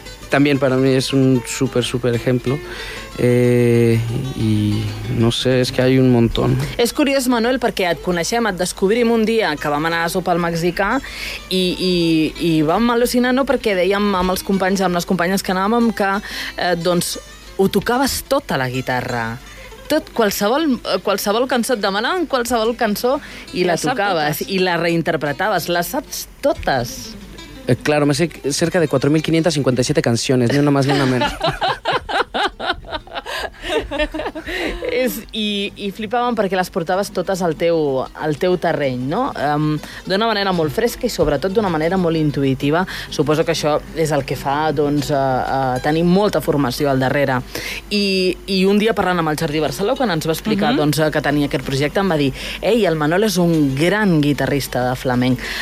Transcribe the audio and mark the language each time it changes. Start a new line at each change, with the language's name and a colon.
Spanish: También para mí es un súper, súper ejemplo.
Catalan: I no sé, és que hi ha un munt. És curiós, Manuel, perquè et coneixem, et descobrim un dia que vam anar a sopar al mexicà i vam al·lucinar, no?, perquè dèiem amb els companys, amb les companyes que anàvem, que doncs ho tocaves tot a la guitarra. Tot, qualsevol cançó, et demanaven qualsevol cançó i la tocaves totes. I la reinterpretaves, la saps totes.
Spanish: Claro, me sé cerca de 4.557 canciones, ni una más ni una menos.
Catalan: I flipàvem perquè les portaves totes al teu terreny, no? D'una manera molt fresca i sobretot d'una manera molt intuïtiva. Suposo que això és el que fa, doncs, tenir molta formació al darrere. I un dia, parlant amb el Jordi Barceló, quan ens va explicar doncs, que tenia aquest projecte, em va dir: "Ei, el Manol és un gran guitarrista de flamenc."